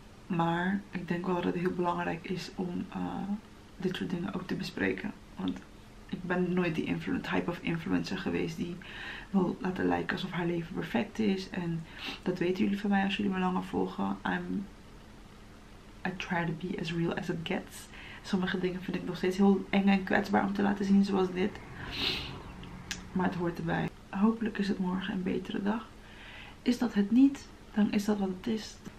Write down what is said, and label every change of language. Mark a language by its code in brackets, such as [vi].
[nl] Maar ik denk wel dat het heel belangrijk is om dit soort dingen ook te bespreken. Want ik ben nooit die type of influencer geweest die wil laten lijken alsof haar leven perfect is. En dat weten jullie van mij als jullie me langer volgen. [en] I try to be as real as it gets. [nl] Sommige dingen vind ik nog steeds heel eng en kwetsbaar om te laten zien zoals dit. Maar het hoort erbij. Hopelijk is het morgen een betere dag. Is dat het niet, dan is dat wat het is.